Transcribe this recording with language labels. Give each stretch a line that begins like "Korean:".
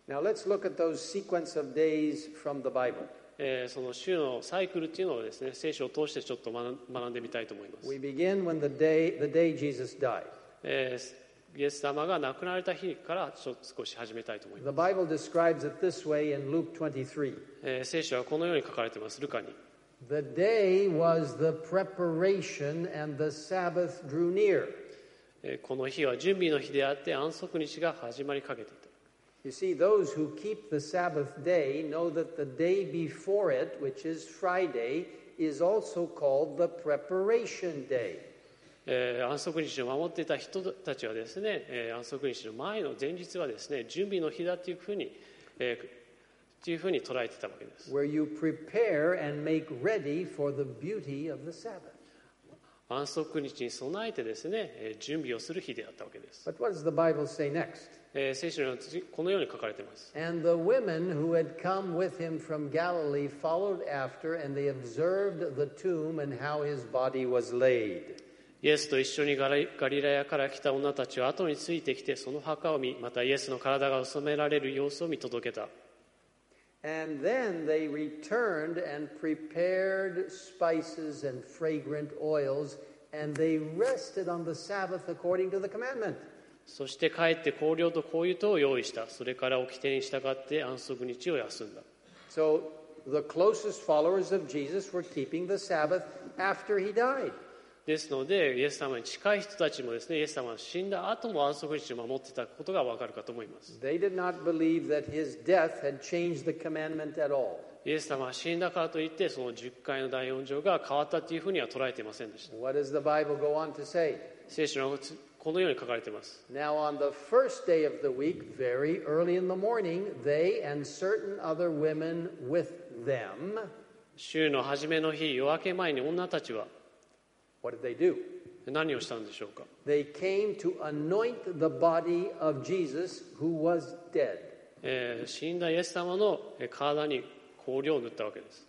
English: Now let's look at those sequence of days from the Bible.
Japanese: その週のサイクルっていうのをですね、聖書を通してちょっと学んでみたいと思います。
English: We begin when the day Jesus died.
Japanese: イエス様が亡くなられた日から少し始めたいと思います。
English: The Bible describes it this way in Luke 23.
Japanese: 聖書はこのように書かれています。ルカに。
English: The day was the preparation and the Sabbath drew near.
Japanese: この日は準備の日であって安息日が始まりかけていた。
English: You see, those who keep the Sabbath day know that the day before it, which is Friday, is also called the preparation day.
Japanese: 安息日を守っていた人たちはですね、安息日の前の前日はですね、準備の日だというふうに、というふうに捉えてたわけです。
English: Where you prepare and make ready for the beauty of the Sabbath.
Japanese: 安息日に備えてですね、準備をする日であったわけです。
English: But what does the Bible say next?
Japanese: 聖書にはこのように書かれています。
English: And the women who had come with him from Galilee followed after, and they observed the tomb and how his body was laid.
Japanese: イエスと一緒にガリラヤから来た女たちは後についてきて、その墓を見、またイエスの体が納められる様子を見届けた。
English: And then they returned and prepared spices and fragrant oils, and they rested on the Sabbath according to the commandment.
Japanese: そして帰って香料と香油とを用意した。それから掟に従って安息日を休んだ。
English: So the closest followers of Jesus were keeping the Sabbath after he died.
Japanese: ですので、イエス様に近い人たちもですね、イエス様が死んだ後も安息日を守っていたことがわかるかと思います。
English: They did not believe that his death had changed the commandment at all.
Japanese: イエス様が死んだからといって、その十戒の第四条が変わったというふうには捉えていませんでした。
English: What does the Bible go on to say?
Japanese: 聖書はこのように書かれています。
English: Now on the first day of the week, very early in the morning, they and certain other women with them.
Japanese: 週の初めの日、夜明け前に女たちは、
English: What did they do?
Japanese: 何をしたんでしょうか?
English: They came to anoint the body of Jesus who was dead.
Japanese: 死んだイエス様の体に香料を塗ったわけです。